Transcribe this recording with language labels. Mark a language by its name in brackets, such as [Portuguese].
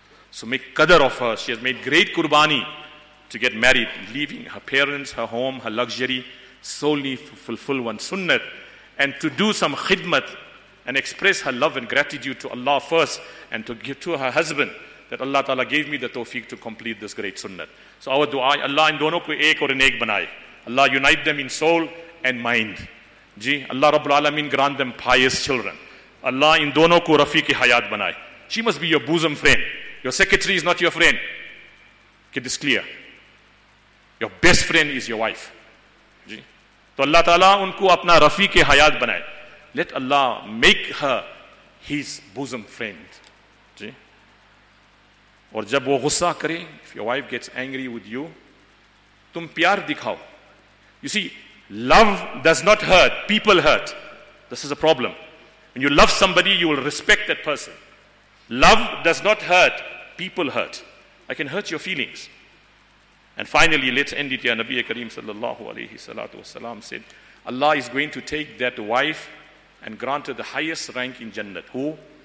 [English] So make qadr of her. She has made great qurbani to get married, leaving her parents, her home, her luxury, solely to fulfill one sunnah, and to do some khidmat and express her love and gratitude to Allah first, and to give to her husband that Allah Ta'ala gave me the tawfiq to complete this great sunnah. So our dua, [Urdu] Allah in dono ko ek aur ek banaye. [English] Allah unite them in soul and mind. [Urdu] جی اللہ رب العالمین [English] grant them pious children. [Urdu] اللہ ان دونوں کو رفیق حیات بنائے. [English] She must be your bosom friend. Your secretary is not your friend. Get this clear. Your best friend is your wife. [Urdu] جی تو اللہ تعالیٰ ان کو اپنا رفیق حیات بنائے. [English] Let Allah make her his bosom friend. [Urdu] جی اور جب وہ غصہ کرے, [English] if your wife gets angry with you, [Urdu] تم پیار دکھاؤ. [English] You see, love does not hurt, people hurt. This is a problem. When you love somebody, you will respect that person. Love does not hurt, people hurt. I can hurt your feelings. And finally, let's end it here. Nabi Kareem sallallahu alayhi salatu wasalam said, Allah is going to take that wife and grant her the highest rank in Jannat. Who?